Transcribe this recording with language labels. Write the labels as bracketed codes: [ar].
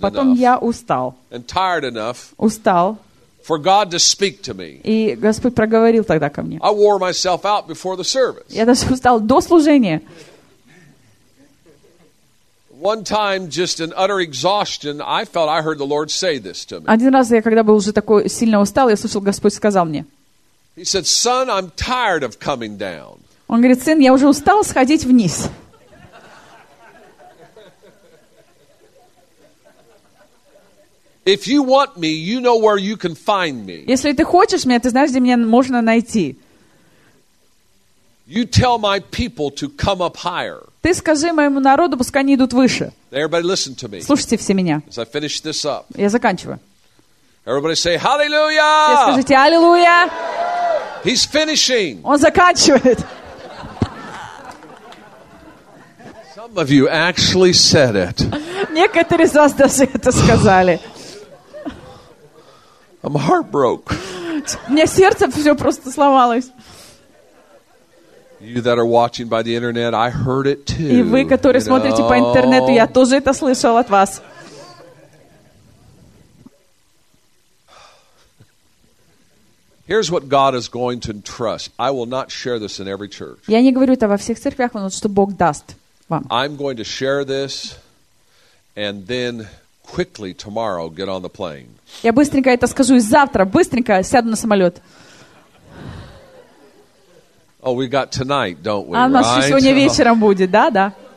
[ru] потом [en] enough. [ru] Я устал. [en] And tired enough. [ru] Устал. [en] For God to speak to me. [ru] И Господь проговорил тогда ко мне. [en] I wore myself out before the service. [ru] Я даже устал до служения. [en] One time, just in utter exhaustion, I felt I heard the Lord say this to me. [ru] Один раз я, когда был уже такой сильно устал, я слышал, Господь сказал мне. [en] He said, "Son, I'm tired of coming down." [ru] Он говорит, сын, я уже устал сходить вниз. [en] If you want me, you know where you can find me. [ru] Если ты хочешь меня, ты знаешь, где меня можно найти. [en] You tell my people to come up higher. [ru] Ты скажи моему народу, пускай они идут выше. [en] Everybody listen to me. [ru] Слушайте все меня. [en] As I finish this up. [ru] Я заканчиваю. [en] Everybody say hallelujah. [ru] Все скажите аллилуйя. [en] He's finishing. [ru] Он заканчивает. [en] Some of you actually said it. [ru] Некоторые из вас даже это сказали. [en] I'm heartbroken. [ru] У меня сердце все просто сломалось. [en] You that are watching by the internet, I heard it too. [ru] И вы, которые смотрите по интернету, я тоже это слышал от вас. [en] Here's what God is going to entrust. I will not share this in every church. [ru] Я не говорю это во всех церквях, но что Бог даст вам. [en] I'm going to share this, and then quickly tomorrow get on the plane. [ru] Я быстренько это скажу, и завтра быстренько сяду на самолет. [en] Oh, we got tonight, don't we? [ru] А у нас сегодня вечером будет, да, да.